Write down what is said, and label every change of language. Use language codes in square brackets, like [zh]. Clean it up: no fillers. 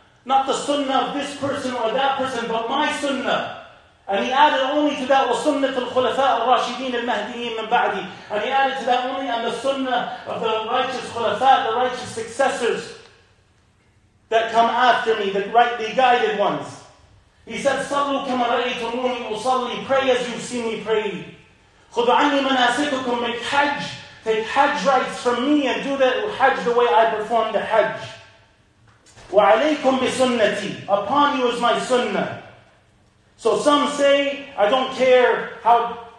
[en] Not the sunnah of this person or that person, but my sunnah. And he added only to that, [ar] وَسُنَّةُ الْخُلَفَاءُ الرَّاشِدِينَ الْمَهْدِيِينَ مِنْ بَعْدِي. [en] And he added to that only, and the sunnah of the righteous khulafa, the righteous successors that come after me, the rightly guided ones. He said, [ar] صَلُّوا كَمَا رَأَيْتُمُونِي أُصَلِّي. [en] Pray as you've seen me pray. [ar] خُذُ عَنِّي مَنَاسِكُكُمْ. [en] Make hajj. Take hajj rites from me and do that hajj the way I perform the hajj. [ar] وَعَلَيْكُمْ بِسُنَّتِي. [en] Upon you is my sunnah. So some say, I don't care how